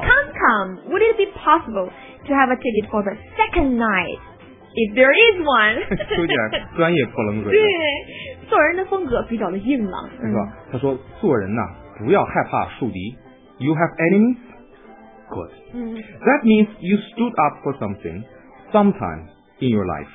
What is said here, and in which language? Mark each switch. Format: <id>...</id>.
<en>Come, would it be possible to have a ticket for the second night? If there is one.</en> <zh>丘吉尔专业泼冷水。对，做人的风格比较的硬朗。没错，他说做人呢，不要害怕树敌。</zh> <en>You have enemies? Good. That means you stood up for something sometime in your life.</en>